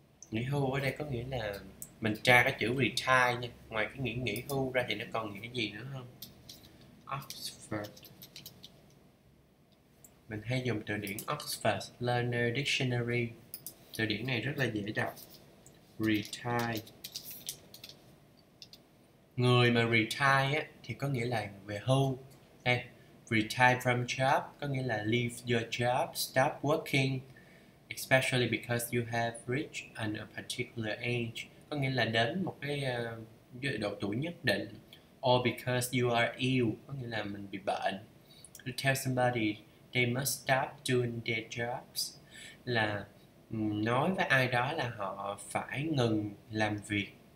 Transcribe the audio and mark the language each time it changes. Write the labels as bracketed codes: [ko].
[vi] Nghỉ hưu ở đây có nghĩa là mình tra cái chữ retire nha, ngoài cái nghỉ hưu ra thì nó còn nghĩa gì nữa không? Oxford. Mình hay dùng từ điển Oxford Learner Dictionary. Từ điển này rất là dễ đọc. Retire. Người mà retire á thì có nghĩa là về hưu. Đây, [en] retire from job [vi] có nghĩa là [en] leave your job, stop working, especially because you have reached a particular age. [vi] Có nghĩa là đến một cái độ tuổi nhất định. [en] Or because you are ill, [vi] có nghĩa là mình bị bệnh. [en] To tell somebody they must stop doing their jobs, [vi] là nói với ai đó là họ phải ngừng làm việc.